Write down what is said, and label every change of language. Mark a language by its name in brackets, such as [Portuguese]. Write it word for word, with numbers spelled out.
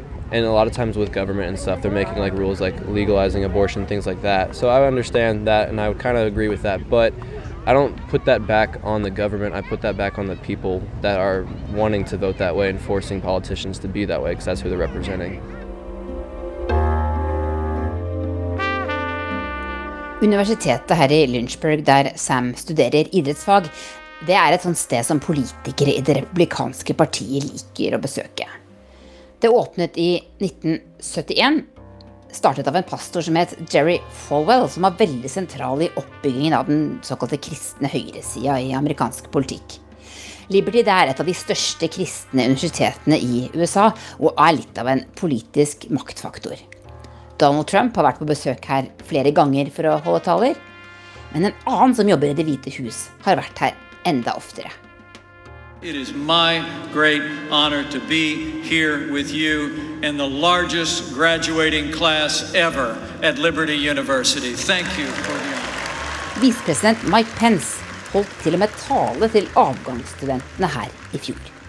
[English] And a lot of times with government and stuff, they're making, like, rules like legalizing abortion, things like that. So I understand that, and I would kind of agree with that. But I don't put that back on the government. I put that back on the people that are wanting to vote that way and forcing politicians to be that way, because that's who they're representing. [Norwegian] Universitetet her I Lynchburg, der Sam studerer idrettsfag, det er et sånt sted som politikere I det republikanske partiet liker å besøke. Det åpnet I nitten syttien, startet av en pastor som heter Jerry Falwell, som var veldig sentral I oppbyggingen av den såkalte kristne høyresida I amerikansk politikk. Liberty det er et av de største kristne universitetene I U S A, og er litt av en politisk maktfaktor. Donald Trump har vært på besøk her flere ganger for å holde taler, men en annen som jobber I Det hvite hus har vært her enda oftere. [English] It is my great honor to be here with you in the largest graduating class ever at Liberty University. Thank you for the honor. [Norwegian] Vicepresident Mike Pence holdt til og med tale til avgangsstudentene her I fjor.